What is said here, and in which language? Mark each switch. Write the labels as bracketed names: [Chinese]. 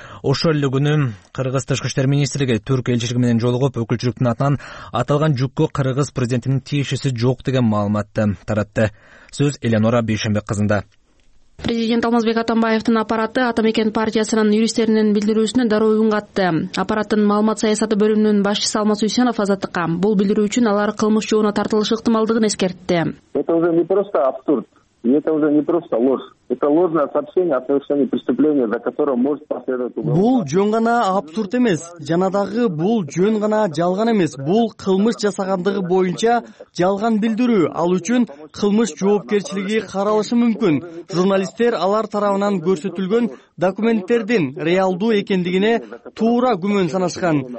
[Kyrgyz] Ошол эле күнү Кыргыз тышкы иштер министрлиги түрк элчилиги менен жолугуп, өкүлчүлүктүн атынан аталган жүккө кыргыз президентинин тиешеси жок деген маалыматты таратты. Сөз Эленора Бейшенбек кызында. Президент Алмазбек Атамбаевдин аппараты Атамекен партиясынын юристтеринин билдирүүсүнө дароо үн катты. Аппараттын маалымат саясаты бөлүмүнүн башчысы Алмаз Үсенов Азаттыкка бул билдирүү үчүн алар кылмыш жообуна тартылыш ыктымалдыгын эскертти. [Russian] Это уже не просто абсурд. Это уже не просто ложь. Это ложное сообщение о совершении преступления, за которое может последовать уголовное. [Kyrgyz] Бул жөн гана абсурд эмес. Жана дагы бул жөн гана жалган эмес. Бул кылмыш жасагандыгы боюнча жалган билдирүү. Ал үчүн кылмыш жоопкерчилиги каралышы мүмкүн. Журналисттер алар тарабынан көрсөтүлгөн документтердин реалдуу экендигине туура күмөн санашкан.